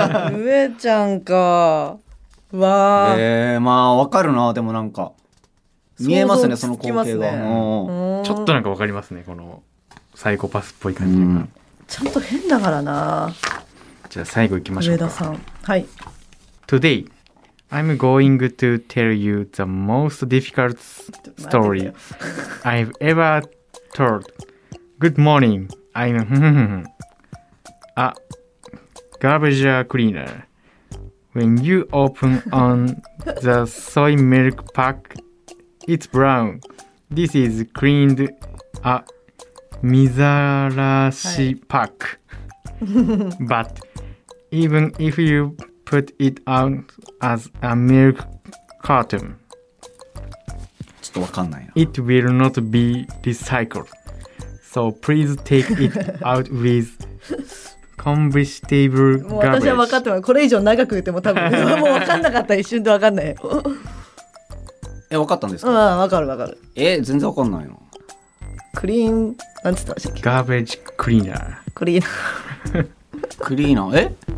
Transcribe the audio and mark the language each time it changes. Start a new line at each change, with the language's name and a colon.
Japanese: 上ちゃんか、わー、まあ分かるな、でもなんか見えますね、その光景が、ね、ちょっとなんか分かりますね、このサイコパスっぽい感じが、ちゃんと変だからな、じゃあ最後いきましょうか、上田さん、はい、
English: Today I'm going to tell you the most difficult story I've ever told. Good morning, I'm a garbage cleaner. When you open on the soy milk pack, it's brown. This is cleaned a mizarashi pack. But even if you put it out as a milk carton,
Japanese: ちょっとわかんないな。
English: It will not be recycled. So please take it out with combustible garbage.
Japanese: 私はわかってます。これ以上長く言っても多分もうわかんなかった。一瞬でわかんない。え、わかったんですか？うん、わかるわかる。え、全然わかんないの。クリーン、なんて言ったらしいっけ？ガーベージクリーナー。クリーナー。クリーナー、え？